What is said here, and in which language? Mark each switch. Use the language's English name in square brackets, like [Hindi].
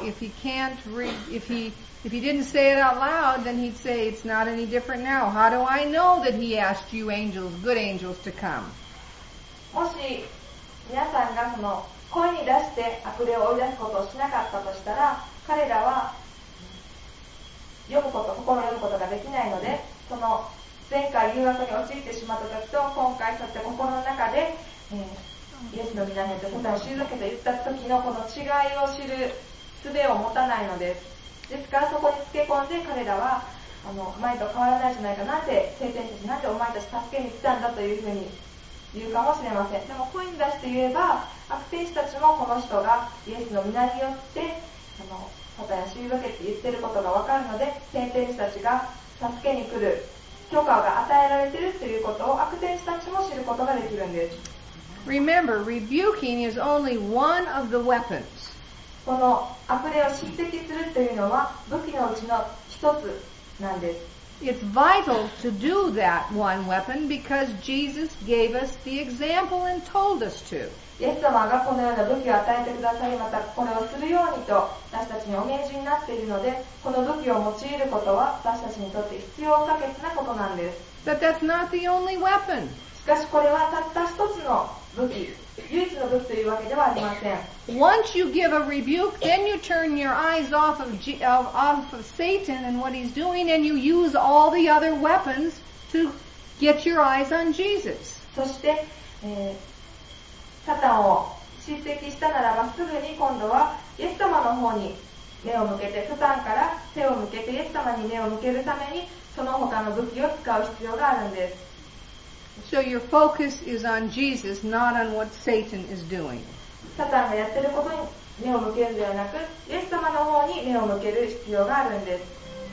[English] If he can't read, if he didn't say it out loud, then he'd say it's not any different now. How do I know that he asked you angels, good angels, to come? [Japanese] もし皆さんがその声に出して悪霊を追い出すことをしなかったとしたら、彼らは読むこと、心を読むことができないので、その前回誘惑に陥ってしまった時と今回そして心の中で、イエスの御名によって答えを退けて言った時のこの違いを知る術を持たないのです。ですからそこにつけ込んで彼らはあの前と変わらないじゃないか、なんで聖天使たち、なんでお前たち助けに来たんだというふうに言うかもしれません。でも声に出して言えば悪天使たちもこの人がイエスの御名によってあの答えを退けて言ってることが分かるので、聖天使たちが助けに来る許可が与えられているということを悪天使たちも知ることができるんです。 [English] Remember, rebuking is only one of the weapons. [Japanese] この悪霊を叱責するというのは武器のうちの一つなんです。 [English] It's vital to do that one weapon because Jesus gave us the example and told us to. [Japanese] イエス様がこのような武器を与えてくださり、またこれをするようにと私たちにお命じになっているので、この武器を用いることは私たちにとって必要不可欠なことなんです。 [English] But that's not the only weapon. [Japanese] しかしこれはたった一つの武器、唯一の武器というわけではありません。 [English] Once you give a rebuke, then you turn your eyes off of Satan and what he's doing, and you use all the other weapons to get your eyes on Jesus. [Japanese] そして、サタンを叱責したならば、すぐに今度はイエス様の方に目を向けて、サタンから手を向けてイエス様に目を向けるために、その他の武器を使う必要があるんです。 [English] So your focus is on Jesus, not on what Satan is doing. [Japanese] サタンがやってることに目を向けるんではなく、イエス様の方に目を向ける必要があるんです。